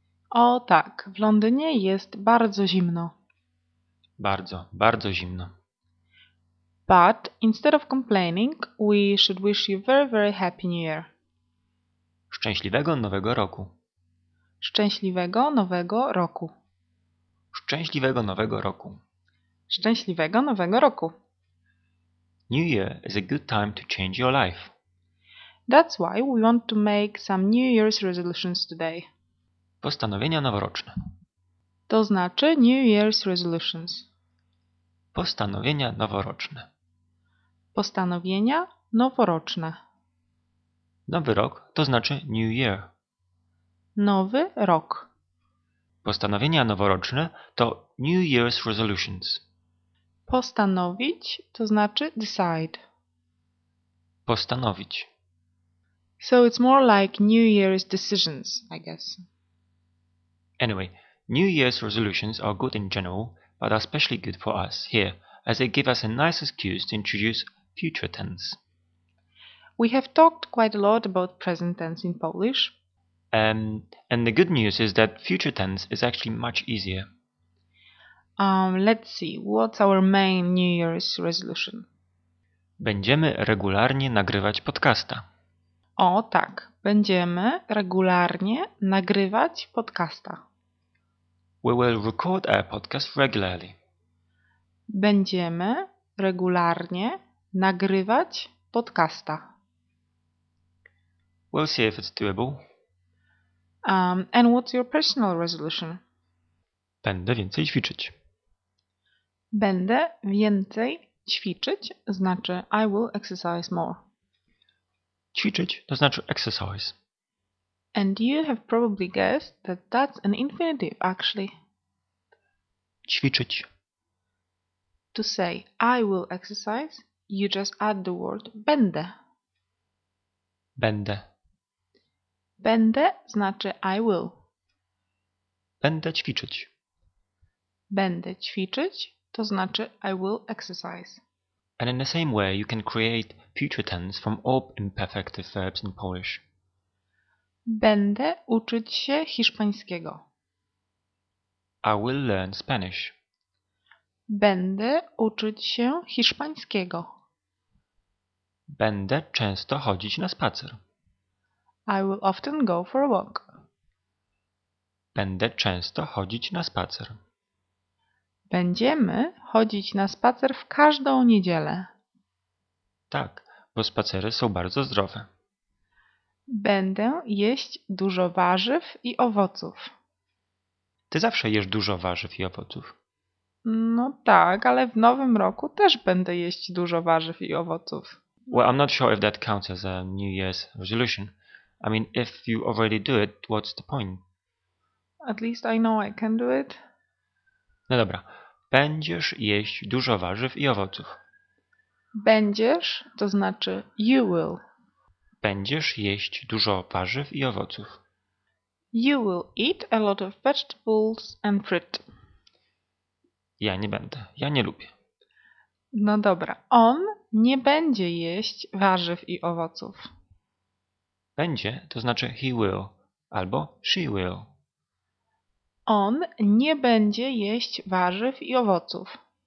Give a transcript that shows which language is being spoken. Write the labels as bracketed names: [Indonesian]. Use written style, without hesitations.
[Polish] O tak, w Londynie jest bardzo zimno. Bardzo zimno. [English] But instead of complaining, we should wish you very, very happy new year. [Polish] Szczęśliwego nowego roku. Szczęśliwego nowego roku. Szczęśliwego nowego roku. Szczęśliwego nowego roku. [English] New Year is a good time to change your life. That's why we want to make some New Year's resolutions today. [Polish] Postanowienia noworoczne. To znaczy [English] New Year's resolutions. [Polish] Postanowienia noworoczne. Postanowienia noworoczne. Nowy rok to znaczy [English] New Year. [Polish] Nowy rok. Postanowienia noworoczne to [English] New Year's resolutions. [Polish] Postanowić to znaczy decide. Postanowić. [English] So it's more like New Year's decisions, I guess. Anyway, New Year's resolutions are good in general, but are especially good for us here, as they give us a nice excuse to introduce future tense. We have talked quite a lot about present tense in Polish. And the good news is that future tense is actually much easier. Let's see, what's our main New Year's resolution? [Polish] Będziemy regularnie nagrywać podcasta. O tak, będziemy regularnie nagrywać podcasta. [English] We will record our podcast regularly. [Polish] Będziemy regularnie nagrywać podcasta. [English] We'll see if it's doable. And what's your personal resolution? [Polish] Będę więcej ćwiczyć. Będę więcej ćwiczyć znaczy [English] I will exercise more. [Polish] Ćwiczyć to znaczy exercise. [English] And you have probably guessed that that's an infinitive actually. [Polish] Ćwiczyć. [English] To say I will exercise, you just add the word będę. [Polish] Będę. Będę znaczy [English] I will. [Polish] Będę ćwiczyć. Będę ćwiczyć to znaczy [English] I will exercise. And in the same way you can create future tense from all imperfective verbs in Polish. [Polish] Będę uczyć się hiszpańskiego. [English] I will learn Spanish. [Polish] Będę uczyć się hiszpańskiego. Będę często chodzić na spacer. [English] I will often go for a walk. [Polish] Będę często chodzić na spacer. Będziemy chodzić na spacer w każdą niedzielę. Tak, bo spacery są bardzo zdrowe. Będę jeść dużo warzyw i owoców. Ty zawsze jesz dużo warzyw i owoców. No tak, ale w nowym roku też będę jeść dużo warzyw i owoców. [English] Well, I'm not sure if that counts as a New Year's resolution. I mean, if you already do it, what's the point? At least I know I can do it. [Polish] No dobra. Będziesz jeść dużo warzyw i owoców. Będziesz to znaczy [English] you will. [Polish] Będziesz jeść dużo warzyw i owoców. [English] You will eat a lot of vegetables and fruit. [Polish] Ja nie będę. Ja nie lubię. No dobra. On nie będzie jeść warzyw i owoców. Będzie to znaczy [English] he will [Polish] albo [English] she will. [Polish] On nie będzie jeść warzyw i owoców.